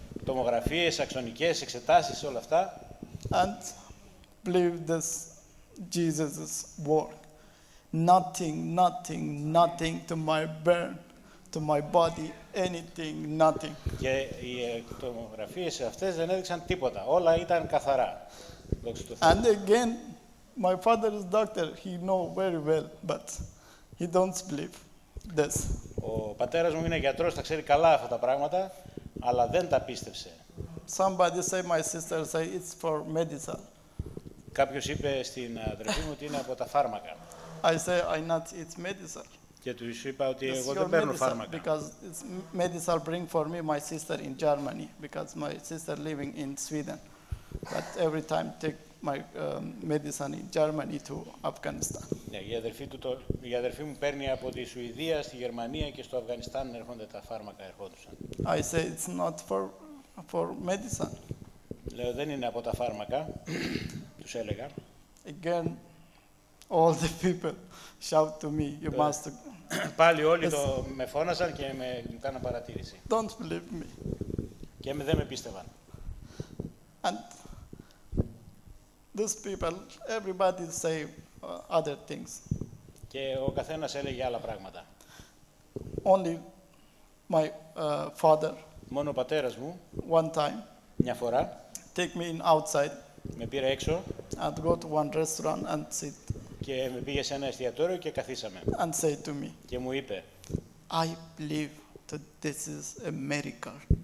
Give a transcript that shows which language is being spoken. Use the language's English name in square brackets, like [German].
[Greek] Τομογραφίες, αξονικές, εξετάσεις, όλα αυτά. [English] And believe this Jesus' work. Nothing to my burn, to my body, anything, nothing. [Greek] Και οι τομογραφίες αυτές δεν έδειξαν τίποτα. Όλα ήταν καθαρά. [English] And again, my father is doctor. He know very well, but he don't believe this. [Greek] Ο πατέρας μου είναι γιατρός, τα ξέρει καλά αυτά τα πράγματα, αλλά δεν τα πίστευσε. [English] Somebody say my sister say it's for medicine. [Greek] Κάποιος είπε στην αδερφή μου ότι είναι από τα φάρμακα. [English] I say I not it's medicine. [Greek] Και του είπα ότι εγώ δεν παίρνω φάρμακα. [English] Because it's medicine bring for me my sister in Germany because my sister living in Sweden. But every time take my medicine in Germany to Afghanistan. [Greek] Η αδερφή μου παίρνει από τη Σουηδία στη Γερμανία και στο Αφγανιστάν έρχονται τα φάρμακα ερχόντουσαν. [English] I say it's not for medicine. [Greek] Λέω δεν είναι από τα φάρμακα. Τους έλεγα. [English] Again, all the people shout to me, you must. [Greek] Πάλι όλοι το με φώνασαν και με κάναν παρατήρηση. [English] Don't believe me. [Greek] Και δεν με πίστευαν. [English] And these people, everybody say other things. [Greek] Και ο καθένας έλεγε άλλα πράγματα. [English] Only my father. [Greek] Μόνο ο πατέρας μου. [English] One time. [Greek] Μια φορά. [English] Take me in outside. [Greek] Με πήρε έξω. [English] And go to one restaurant and sit. [Greek] Και με πήγε σε ένα εστιατόριο και καθίσαμε. [English] And say to me. [Greek] Και μου είπε. [English] I believe that this is a miracle.